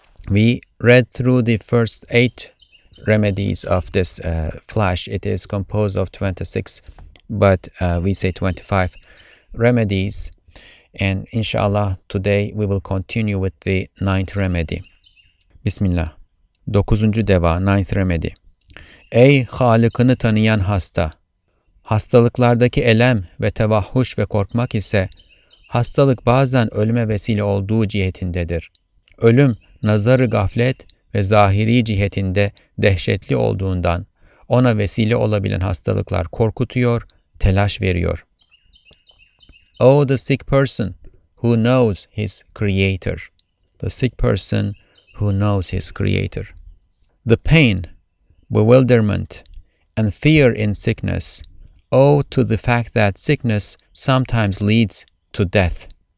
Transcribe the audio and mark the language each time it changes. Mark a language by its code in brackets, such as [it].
[en] We read through the first 8 remedies of this flash. It is composed of 26, but we say 25 remedies. And inshallah, today we will continue with the 9th remedy. Bismillah. 9. deva, 9th remedy. [tr] Ey Halikını tanıyan hasta! Hastalıklardaki elem ve tevahhuş ve korkmak ise hastalık bazen ölüme vesile olduğu cihetindedir. Ölüm, nazarı gaflet ve zahiri cihetinde dehşetli olduğundan ona vesile olabilen hastalıklar korkutuyor, telaş veriyor. [en] Oh, the sick person who knows his creator. The sick person who knows his creator. The pain, bewilderment and fear in sickness owe to the fact that sickness sometimes leads to death.